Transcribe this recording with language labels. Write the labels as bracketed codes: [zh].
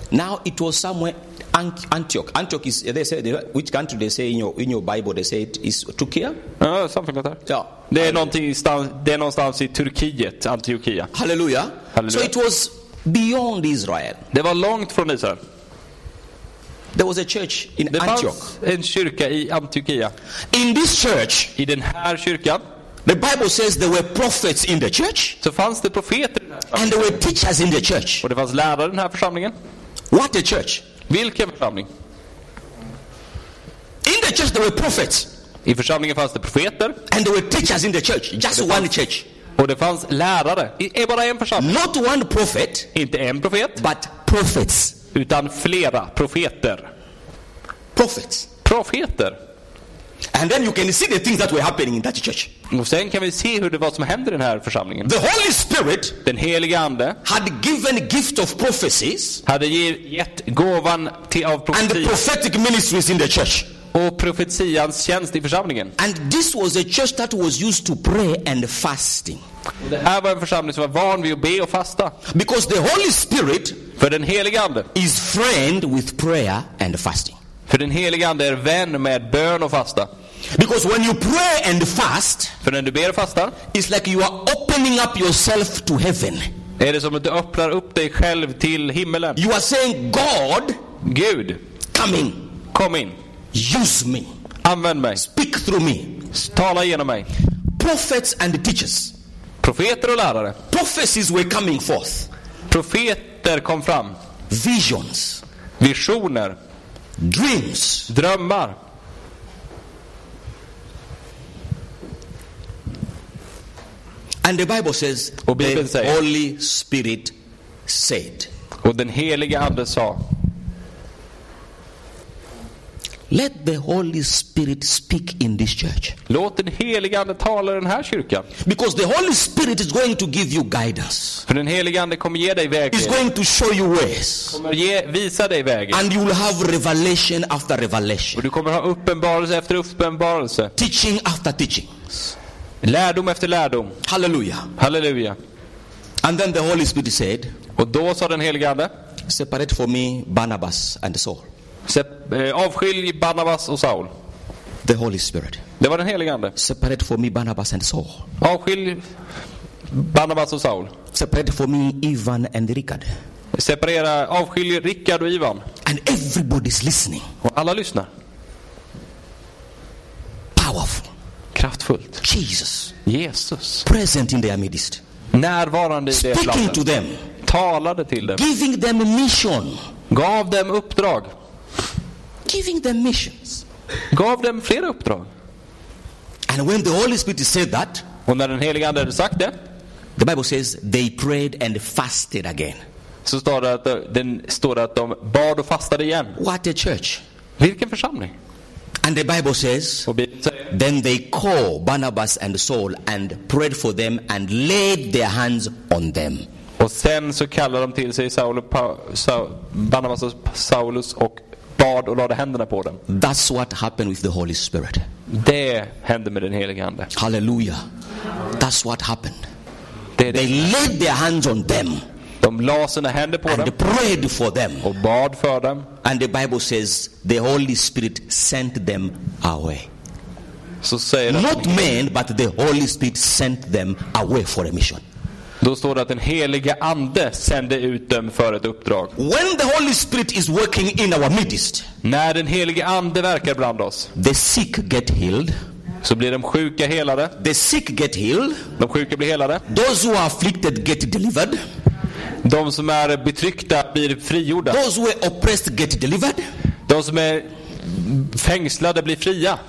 [en] Now it was somewhere Antioch. Antioch is, they say, which country they say in your Bible, they say it is Turkey. Something like that. Yeah. [sv] Det är någonting någonstans i Turkiet, Antiochia. [en] Hallelujah. Halleluja. So it was beyond Israel. [sv] Det var långt från Israel. [en] There was a church in [sv] det [en] Antioch. [sv] En kyrka i Antiochia. [en] In this church, [sv] i den här kyrkan, [en] the Bible says there were prophets in the church. [sv] Så fanns det profeter. [en] And there were teachers in the church. [sv] Och det fanns lärare i den här församlingen. [en] What a church. [sv] Vilken församling? [en] In the church there were prophets. [sv] I församlingen fanns det profeter. [en] And there were teachers in the church, just one church. [sv] Och det fanns lärare. Är bara en församling. [en] Not one prophet. [sv] Inte en profet. [en] But prophets. [sv] Utan flera profeter. [en] Prophets. [sv] Profeter. [en] And then you can see the things that were happening in that church. [sv] Och sen kan vi se hur det var som hände i den här församlingen. [en] The Holy Spirit, [sv] den helige ande, [en] had given gift of prophecies. [sv] Hade gett gåvan till av profetier. [en] And the prophetic ministries in the church. [sv] Och profetians tjänst i församlingen. [en] And this was a church that was used to pray and fasting. [sv] Det här var en församling som var van vid att be och fasta. [en] Because the Holy Spirit, [sv] för den helige ande, [en] is friend with prayer and fasting. [sv] För den helige ande är vän med bön och fasta. [en] Because when you pray and fast, [sv] för när du ber och fastar, [en] it's like you are opening up yourself to heaven. [sv] Är det som att du öppnar upp dig själv till himmelen? [en] You are saying God, [sv] Gud, [en] come in. [sv] Kom in. [en] Use me. [sv] Använd mig. [en] Speak through me. [sv] Tala genom mig. [en] Prophets and teachers. [sv] Profeter och lärare. [en] Prophecies were coming forth. [sv] Profeter kom fram. [en] Visions. [sv] Visioner. [en] Dreams. [sv] Drömmar. [en] And the Bible says, [sv] och Bibeln säger, [en] Holy Spirit said. [sv] Och den helige ande sa, [en] let the Holy Spirit speak in this church. [sv] Låt den helige ande tala i den här kyrkan. [en] Because the Holy Spirit is going to give you guidance. [sv] För den helige ande kommer ge dig vägen. [en] He's going to show you ways. [sv] Kommer visa dig vägen. [en] And you will have revelation after revelation. [sv] Och du kommer ha uppenbarelse efter uppenbarelse. [en] Teaching after teaching. [sv] Lärdom efter lärdom. [en] Halleluja. [sv] Halleluja. [en] And then the Holy Spirit said, [sv] och då sa den helige ande, [en] separate for me Barnabas and Saul. [sv] Avskilj Barnabas och Saul. [en] The Holy Spirit. [sv] Det var den helige ande. [en] Separate for me Barnabas and Saul. [sv] Avskilj Barnabas och Saul. [en] Separate for me Ivan and Richard. [sv] Separera, avskilj Richard och Ivan. [en] And everybody's listening. [sv] Och alla lyssnar. [en] Powerful. [sv] Kraftfullt. [en] Jesus. Present in their midst. [sv] Närvarande i deras land. [en] To them. [sv] Talade till dem. [en] Giving them a mission. [sv] Gav dem uppdrag. [en] Giving them missions. [sv] Gav dem flera uppdrag. [en] And when the Holy Spirit said that, [sv] och när den helige ande hade sagt det, [en] the Bible says they prayed and fasted again. [sv] Så står det att de bad och fastade igen. [en] What a church. [sv] Vilken församling. [en] And the Bible says, then they call Barnabas and Saul and prayed for them and laid their hands on them. [sv] Och sen så kallar de till sig Barnabas och Saulus och bad och lade händerna på dem. [en] That's what happened with the Holy Spirit. [sv] Det hände med den helige ande. [en] Hallelujah. That's what happened. They laid their hands on them. [sv] De la sina händer på dem. [en] Prayed for them. [sv] Och bad för dem. [en] And the Bible says the Holy Spirit sent them away. [sv] Så säger det. [en] Not men, but the Holy Spirit sent them away for a mission. [sv] Då står det att den helige ande sände ut dem för ett uppdrag. [en] When the Holy Spirit is working in our midst. [sv] När den helige ande verkar bland oss. [en] The sick get healed. [sv] Så blir de sjuka helade. [en] The sick get healed. [sv] De sjuka blir helade. [en] Those who are afflicted get delivered. [sv] De som är betryckta blir frigjorda. [en] Those who are oppressed get delivered. [sv] De som är fängslade blir fria.